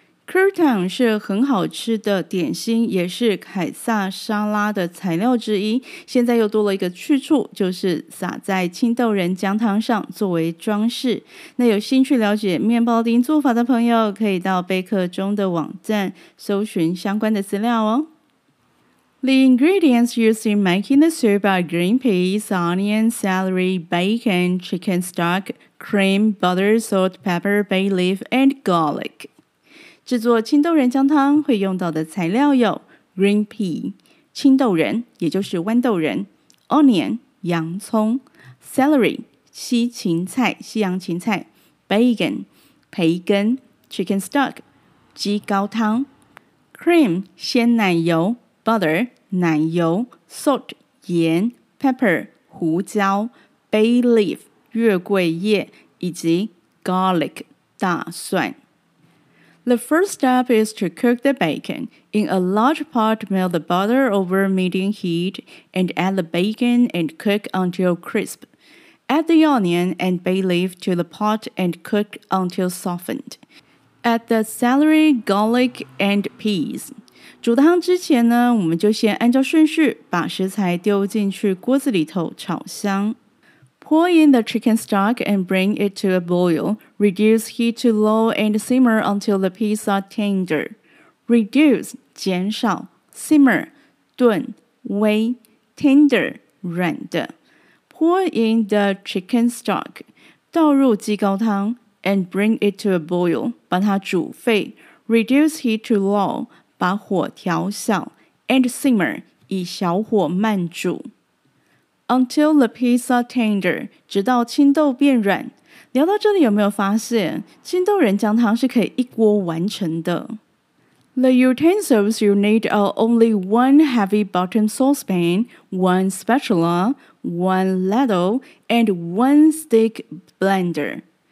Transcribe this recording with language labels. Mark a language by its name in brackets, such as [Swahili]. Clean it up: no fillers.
[Chinese] Crouton 是很好吃的点心，也是凯撒沙拉的材料之一，现在又多了一个去处，就是撒在青豆仁姜汤上作为装饰。那有兴趣了解面包丁做法的朋友，可以到贝克中的网站搜寻相关的资料哦。 [English] The ingredients used in making the soup are green peas, onion, celery, bacon, chicken stock, cream, butter, salt, pepper, bay leaf, and garlic. [Chinese] 制作青豆仁姜汤会用到的材料有 green pea, 青豆仁，也就是豌豆仁 onion, 洋葱 celery, 西芹菜，西洋芹菜 bacon, 培根 chicken stock, 鸡高汤 cream, 鲜奶油butter 奶油 salt 盐 pepper 胡椒 bay leaf 月桂叶以及 garlic 大蒜。 [English] The first step is to cook the bacon. In a large pot, melt the butter over medium heat and add the bacon and cook until crisp. Add the onion and bay leaf to the pot and cook until softened. Add the celery, garlic, and peas. [Chinese] 煮汤之前呢，我们就先按照顺序把食材丢进去锅子里头炒香。 [English] Pour in the chicken stock and bring it to a boil. Reduce heat to low and simmer until the peas are tender. [Chinese] Reduce 减少， simmer 炖，微， tender 软的。 [English] Pour in the chicken stock 倒入鸡高汤， and bring it to a boil 把它煮沸。 Reduce heat to low 把火调小 and simmer 以小火慢煮 until the peas are tender 直到青豆变软。 [Chinese] 聊到这里，有没有发现青豆仁姜汤是可以一锅完成的？ [English] The utensils you need are only one heavy bottom saucepan, one spatula, one ladle, and one stick blender.